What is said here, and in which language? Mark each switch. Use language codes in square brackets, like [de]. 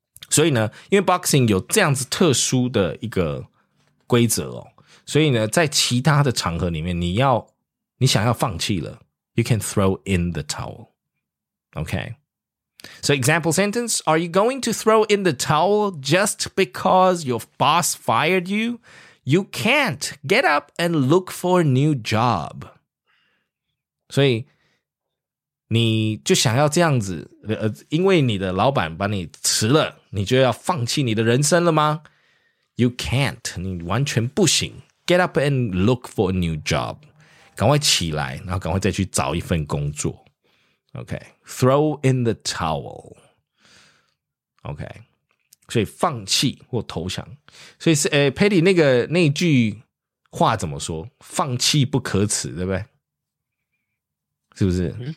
[zh] 所以呢，因为 boxing 有这样子特殊的一个规则哦，所以呢，在其他的场合里面，你想要放弃了， [en] You can throw in the towel. Okay. So example sentence, are you going to throw in the towel just because your boss fired you? You can't. Get up and look for a new job. [zh] 所以你就想要这样子，因为你的老板把你辞了，你就要放弃你的人生了吗？ [en] You can't. [zh] 你完全不行。 [en] Get up and look for a new job. [zh] 赶快起来，然后赶快再去找一份工作。 [en] Okay, throw in the towel. Okay, [zh] 所以放弃或投降。所以是Patty 那句话怎么说？放弃不可耻，对不对？是不是？